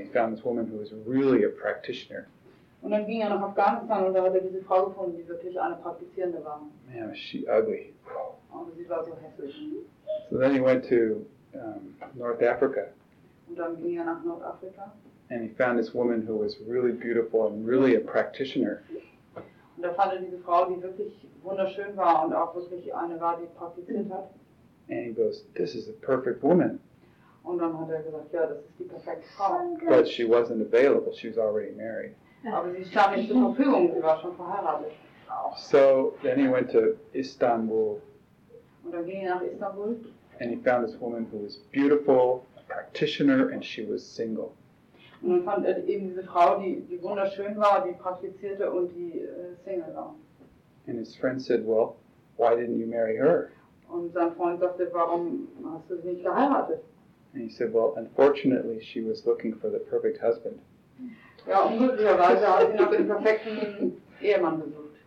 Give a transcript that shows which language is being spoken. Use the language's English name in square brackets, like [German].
[English] He found this woman who was really a practitioner. [German] Und dann ging er nach Afghanistan und da hat er diese Frau gefunden, die wirklich eine Praktizierende war. [English] Man, was she ugly. [German] Und sie war so hässlich. [English] So then he went to North Africa. [German] Und dann ging nach Nordafrika. [English] And he found this woman who was really beautiful and really a practitioner. [German] Und da fand diese Frau, die wirklich wunderschön war und auch wirklich eine war, die praktiziert hat. [English] And he goes, this is a perfect woman. [German] Und dann hat gesagt, ja, das ist die perfekte Frau. [English] But she wasn't available, she was already married. [German] Aber sie stand nicht zur Verfügung, sie war schon verheiratet. [English] So then he went to Istanbul. [German] Und dann ging nach Istanbul. [English] And he found this woman who was beautiful, a practitioner, and she was single. [German] Und dann fand eben diese Frau, die wunderschön war, die praktizierte und die Single war. [English] And his friend said, well, why didn't you marry her? [German] Und sein Freund sagte, warum hast du sie nicht geheiratet? [English] And he said, well, unfortunately, she was looking for the perfect husband. [German] Ja, unglücklicherweise hat sie noch den perfekten Ehemann gesucht.